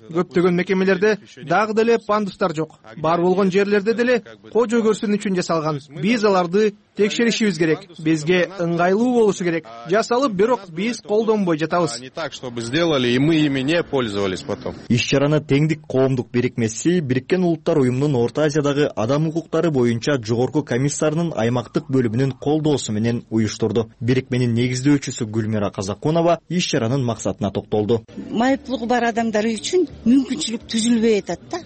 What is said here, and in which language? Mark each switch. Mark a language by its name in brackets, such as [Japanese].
[Kyrgyz] Көптөгөн мекемелерде дагы деле пандустар жок. Бар болгон жерлерде деле кожо көрсүн үчүн жасалган. Биз аларды текшеришибиз керек. Бизге ыңгайлуу болушу керек. Жасалып, бирок биз колдонбой жатабыз. [Russian] Не так, чтобы сделали и мы ими не пользовались потом. [Kyrgyz] Иш-чараны Теңдик коомдук бирикмеси, Бириккен Улуттар Уюмунун Орто Азиядагы адам укуктары боюнча жогорку комиссарынын аймактык бөлүмүнүн колдоосу менен уюштурду. Бирикменин негиздөөчүсү Гүлмира Казакунова иш-чаранын максатына токтолду. Майыптылыгы бар адамдар үчүн мүмкүнчүлүк түзүлбөй атат да.